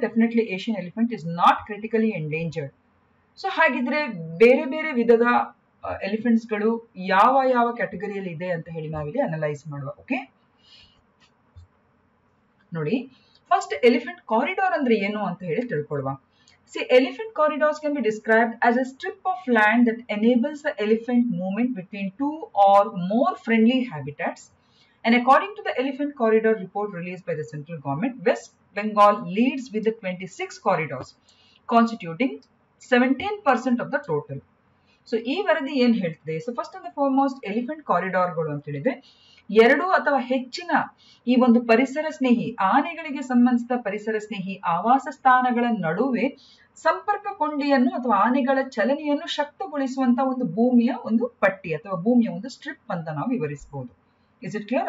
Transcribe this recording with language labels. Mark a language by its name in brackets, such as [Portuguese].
[English] Definitely Asian elephant is not critically endangered. [Kannada] So ಹಾಗಿದ್ರೆ ಬೇರೆ ಬೇರೆ ವಿಧದ ಎಲಿಫೆಂಟ್ಸ್ ಗಳು ಯಾವ ಯಾವ ಕ್ಯಾಟಗರಿಯಲ್ಲಿ ಇದೆ ಅಂತ ಹೇಳಿ ನಾವಿಲ್ಲಿ ಅನಲೈಸ್ ಮಾಡುವ. ಓಕೆ, ನೋಡಿ, ಫಸ್ಟ್ ಎಲಿಫೆಂಟ್ ಕಾರಿಡಾರ್ ಅಂದ್ರೆ ಏನು ಅಂತ ಹೇಳಿ ತಿಳ್ಕೊಳ್ವಾ. [English] See, elephant corridors can be described as a strip of land that enables the elephant movement between two or more friendly habitats. And according to the elephant corridor report released by the central government, West Bengal leads with the 26 corridors, constituting 17% of the total. [Kannada] So, ee varadi yen heltide. [English] So, first and the foremost, [Kannada] elephant corridor galu antu helide. ಎರಡು ಅಥವಾ ಹೆಚ್ಚಿನ ಈ ಒಂದು ಪರಿಸರ ಸ್ನೇಹಿ ಆನೆಗಳಿಗೆ ಸಂಬಂಧಿಸಿದ ಪರಿಸರ ಸ್ನೇಹಿ ಆವಾಸ ಸ್ಥಾನಗಳ ನಡುವೆ ಸಂಪರ್ಕ ಕೊಂಡಿಯನ್ನು ಅಥವಾ ಆನೆಗಳ ಚಲನೆಯನ್ನು ಶಕ್ತಗೊಳಿಸುವಂತಹ ಒಂದು ಭೂಮಿಯ ಒಂದು ಪಟ್ಟಿ ಅಥವಾ ಭೂಮಿಯ ಒಂದು ಸ್ಟ್ರಿಪ್ ಅಂತ ನಾವು ವಿವರಿಸಬಹುದು. [English] Is it clear?